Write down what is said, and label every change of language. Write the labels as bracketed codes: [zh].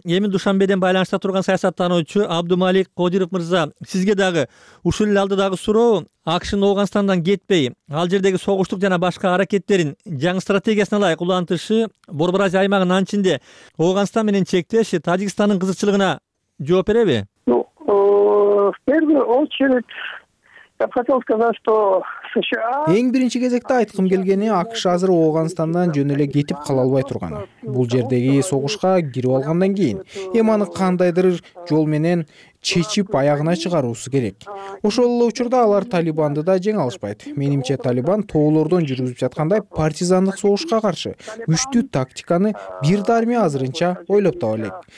[ky] Эми Душанбеден байланышта турган саясаттануучу Абдумалик Кодиров мырза, сизге дагы ушул эле алдыдагы суроо: АКШнын Ооганстандан кетпей, ал жердеги согуштук жана башка аракеттерин жаңы стратегиясына ылайык улантышы, Борбор Азия аймагынын анчинде Ооганстан менен чектеши Тажикстандын кызыкчылыгына жооп береби? [ru] В первую очередь я хотел сказать, что США... [ky] Эң биринчи кезекте айткым келгени, АКШ азыр Ооганстандан жөн эле кетип кала албай турган. Бул жердеги согушка кирип алгандан кийин эми аны кандайдыр жол менен чечип аягына чыгаруусу керек. Ошол эле учурда алар Талибанды да жеңе алышпайт. Менимче Талибан тоолордон жүргүзүп жаткандай партизандык согушка каршы күчтүү тактиканы бир дарме азырынча ойлоп таба элек.